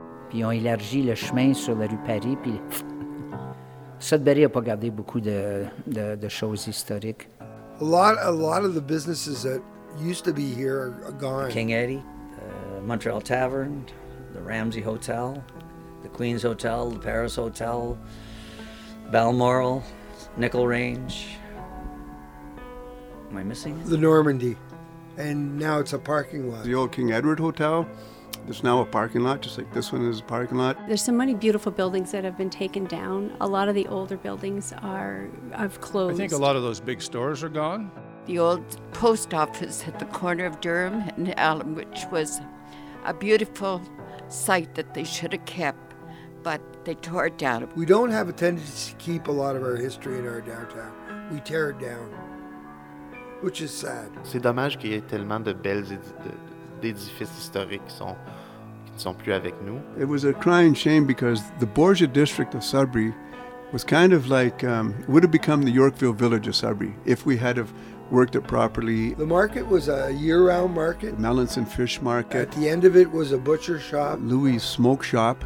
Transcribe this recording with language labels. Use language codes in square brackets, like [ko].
[fr] Puis on élargit le chemin sur la rue Paris. Puis Sudbury a pas gardé beaucoup de choses historiques. [en] A lot of the businesses that used to be here are gone. The King Eddie, the Montreal Tavern, the Ramsey Hotel, the Queen's Hotel, the Paris Hotel, Balmoral, Nickel Range. Am I missing it? The Normandy. And now it's a parking lot. The old King Edward Hotel. It's now a parking lot, just like this one is a parking lot. There's so many beautiful buildings that have been taken down. A lot of the older buildings have closed. I think a lot of those big stores are gone. The old post office at the corner of Durham and Allen, which was a beautiful site that they should have kept, but they tore it down. We don't have a tendency to keep a lot of our history in our downtown. We tear it down. Which is sad. [fr] C'est dommage qu'il y ait tellement de belles édifices historiques qui ne sont plus avec nous. [en] It was a crying shame because the Borgia district of Sudbury was kind of like, would have become the Yorkville village of Sudbury if we had have worked it properly. The market was a year-round market. The Melanson Fish Market. At the end of it was a butcher shop. Louis' Smoke Shop.